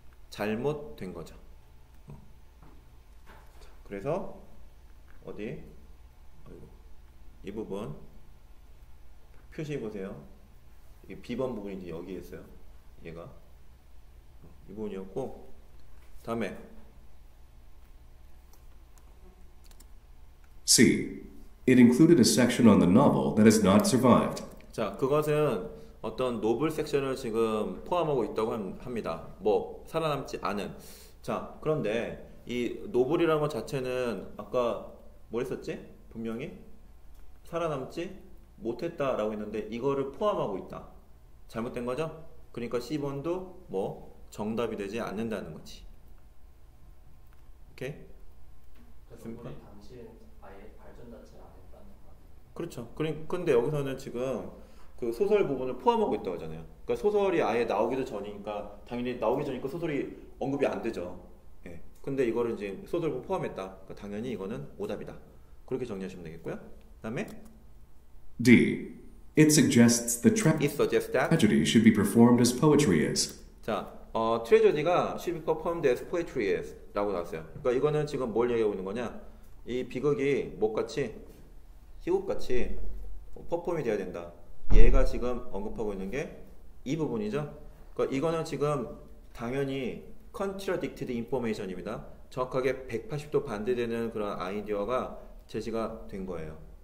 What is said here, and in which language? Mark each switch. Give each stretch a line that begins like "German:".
Korean: 잘못된 거죠. 자, 그래서 어디? 이 부분 표시해 보세요. 이게 B번 부분이 이제 여기 있어요. 얘가 이 부분이었고 다음에
English: C. It included a section on the novel that has not survived.
Korean: 자, 그것은 어떤 노블 섹션을 지금 포함하고 있다고 합니다. 뭐 살아남지 않은. 자, 그런데 이 노블이라는 것 자체는 아까 뭐 했었지? 분명히 살아남지 못했다라고 했는데 이거를 포함하고 있다. 잘못된 거죠? 그러니까 C번도 뭐 정답이 되지 않는다는 거지. 오케이? 됐습니까? 당시에 아예 발전 자체를 안 했다는 거. 그렇죠. 근데 여기서는 지금 그 소설 부분을 포함하고 있다고 하잖아요. 그러니까 소설이 아예 나오기도 전이니까 당연히 나오기 전이니까 소설이 언급이 안 되죠. 예. 근데 이거를 이제 소설을 포함했다. 그러니까 당연히 이거는 오답이다. 그렇게 정리하시면 되겠고요. 그다음에
English: D. It suggests the tragedy should be performed as poetry is.
Korean: 자, 트레저디가
English: should be performed as poetry is
Korean: 라고 나왔어요. 그러니까 이거는 지금 뭘 얘기하고 있는 거냐? 이 비극이 뭣같이? 희곡같이 퍼폼이 돼야 된다. 얘가 지금 언급하고 있는 게 이 부분이죠. 그러니까 이거는 지금 당연히
English: contradicted information
Korean: 입니다. 정확하게 180도 반대되는 그런 아이디어가 제시가 된 거예요.